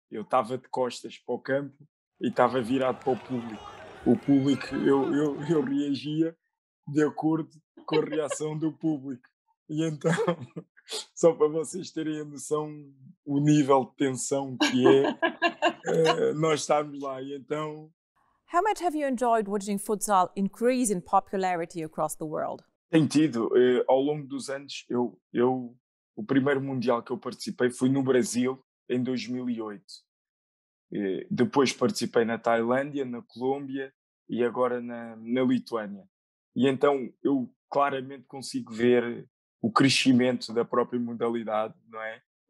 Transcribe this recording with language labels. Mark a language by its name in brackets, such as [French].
[Portuguese] Eu estava de costas para o campo e estava virado para o público. O público, eu reagia de acordo com a reação do público. E então, só para vocês terem a noção, o nível de tensão que é, nós estamos lá. E então... [English] How much have you enjoyed watching futsal increase in popularity across the world? [Portuguese] Tem tido. Ao longo dos anos, eu o primeiro Mundial que eu participei foi no Brasil, em 2008. Depois participei na Tailândia, na Colômbia e agora na Lituânia. E então eu claramente consigo ver o crescimento da própria modalidade, não é?